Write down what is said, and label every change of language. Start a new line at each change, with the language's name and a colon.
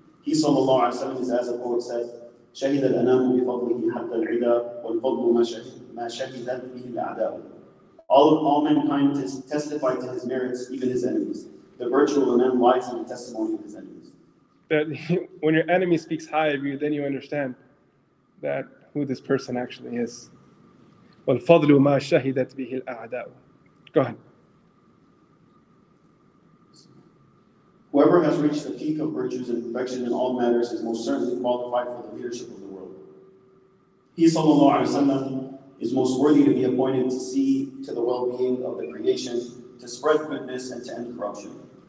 English: He, sallallahu alayhi wa sallam, is as a poet said,
Arabic: شهد الأنام بفضله حتى العدا والفضل ما شهدت به الأعداء.
English: All mankind testify to his merits, even his enemies. The virtue of a man lies in the testimony of his enemies. That when your enemy speaks high of you, then you understand that who this person actually is.
Arabic: والفضل ما شهدت به الأعداء.
English: Go ahead. Whoever has reached the peak of virtues and perfection in all matters is most certainly qualified for the leadership of the world. He, sallallahu alayhi wa sallam, is most worthy to be appointed to see to the well-being of the creation, to spread goodness, and to end corruption.